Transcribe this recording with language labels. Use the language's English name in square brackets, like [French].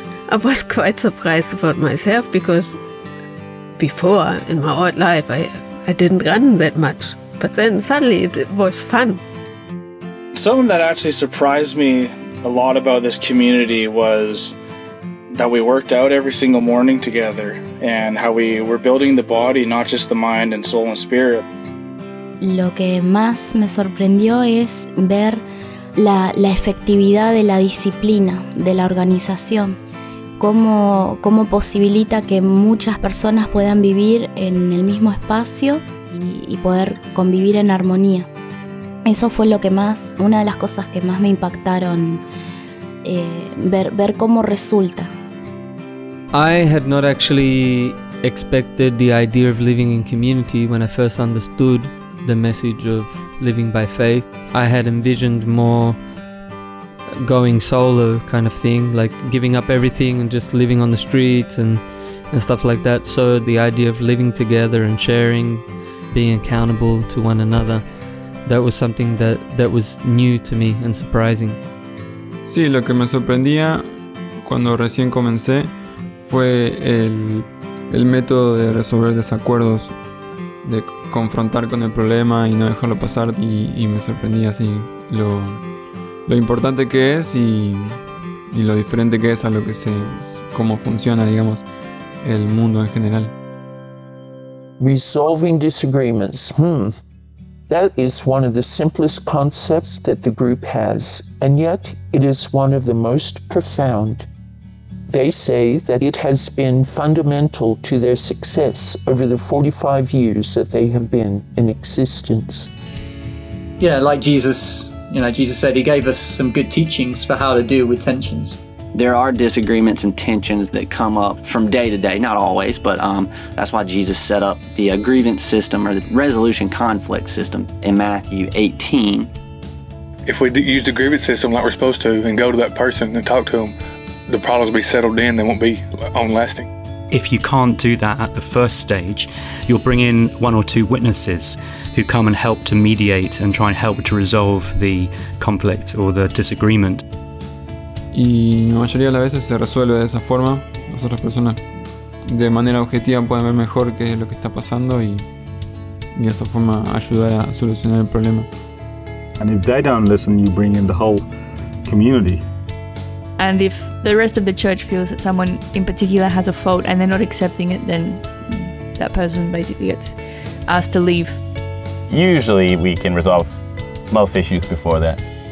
[English] I was quite surprised about myself because before, in my old life, I didn't run that much. But then suddenly it was fun. Something that actually surprised me a lot about this community was that we worked out every single morning together and how we were building the body, not just the mind and soul and spirit. [Spanish] Lo que más me sorprendió es ver la efectividad de la disciplina, de la organización. Cómo posibilita que muchas personas puedan vivir en el mismo espacio y poder convivir en armonía. Eso fue lo que más, una de las cosas que más me impactaron, ver cómo resulta. [English] I had not actually expected the idea of living in community when I first understood the message of living by faith. I had envisioned more going solo kind of thing, like giving up everything and just living on the streets and stuff like that. So the idea of living together and sharing, being accountable to one another, that was something that was new to me and surprising. [Spanish] Sí, lo que me sorprendía cuando recién comencé fue el método de resolver desacuerdos, de confrontar con el problema y no dejarlo pasar, y me sorprendía así lo importante que es y lo diferente que es a lo que se, cómo funciona, digamos, el mundo en general. [English] Resolving disagreements, that is one of the simplest concepts that the group has, and yet it is one of the most profound. They say that it has been fundamental to their success over the 45 years that they have been in existence. Yeah, like Jesus, you know, Jesus said he gave us some good teachings for how to deal with tensions. There are disagreements and tensions that come up from day to day, not always, but that's why Jesus set up the grievance system or the resolution conflict system in Matthew 18. If we use the grievance system like we're supposed to and go to that person and talk to them, the problems will be settled in, they won't be long-lasting. If you can't do that at the first stage, you'll bring in one or two witnesses who come and help to mediate and try and help to resolve the conflict or the disagreement. [Spanish] Y la mayoría de las veces se resuelve de esa forma. Las otras personas de manera objetiva pueden ver mejor qué es lo que está pasando y esa forma ayuda a solucionar el problema. [English] And if they don't listen, you bring in the whole community. And if the rest of the church feels that someone in particular has a fault and they're not accepting it, then that person basically gets asked to leave. Usually we can resolve most issues before that.